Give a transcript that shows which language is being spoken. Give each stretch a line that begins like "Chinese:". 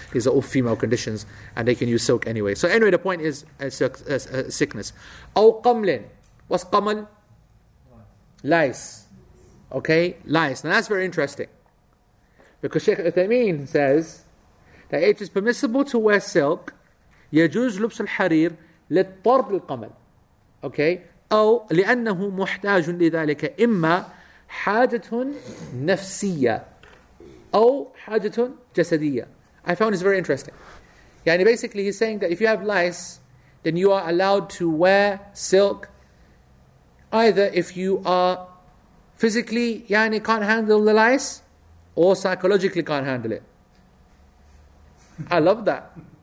English: These are all female conditions and they can use silk anyway. So anyway, the point is a sickness.
Arabic: أو قملن.
English: What's قمل? Lice. Okay, lice. Now that's very interesting. Because Sheikh Uthaymeen says that it is permissible to wear silk.
Arabic: يجوز لبس الحرير للطرد القمل.
English: Okay.
Arabic: أو لأنه محتاج لذلك إما حاجة نفسية أو حاجة جسدية.
English: I found this very interesting. Yeah, and basically he's saying that if you have lice, then you are allowed to wear silk either if you are physically, yeah, and you can't handle the lice, or psychologically can't handle it. I love that.